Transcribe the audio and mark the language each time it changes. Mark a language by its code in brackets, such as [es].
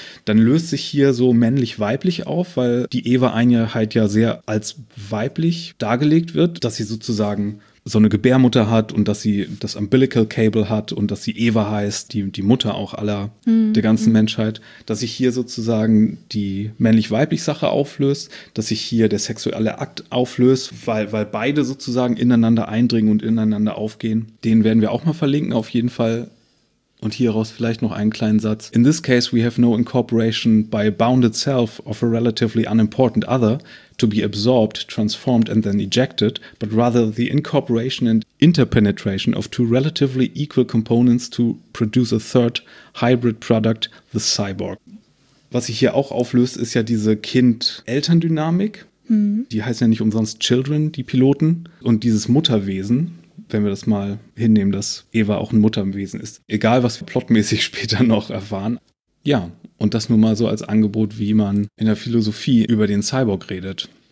[de] dann löst sich hier so männlich-weiblich auf, weil die Eva-Einheit ja sehr als weiblich dargelegt wird, dass sie sozusagen so eine Gebärmutter hat und dass sie das Umbilical Cable hat und dass sie Eva heißt, die Mutter auch aller der ganzen Menschheit, dass sich hier sozusagen die männlich-weiblich Sache auflöst, dass sich hier der sexuelle Akt auflöst, weil beide sozusagen ineinander eindringen und ineinander aufgehen. Den werden wir auch mal verlinken auf jeden Fall. Und hieraus vielleicht noch einen kleinen Satz. [en] In this case we have no incorporation by bounded self of a relatively unimportant other to be absorbed, transformed and then ejected, but rather the incorporation and interpenetration of two relatively equal components to produce a third hybrid product, the cyborg. [de] Was sich hier auch auflöst, ist ja diese Kind-Eltern-Dynamik. Die heißen ja nicht umsonst Children, die Piloten. Und dieses Mutterwesen, wenn wir das mal hinnehmen, dass Eva auch ein Mutterwesen ist. Egal, was wir plotmäßig später noch erfahren. Ja, und das nur mal so als Angebot, wie man in der Philosophie über den Cyborg redet.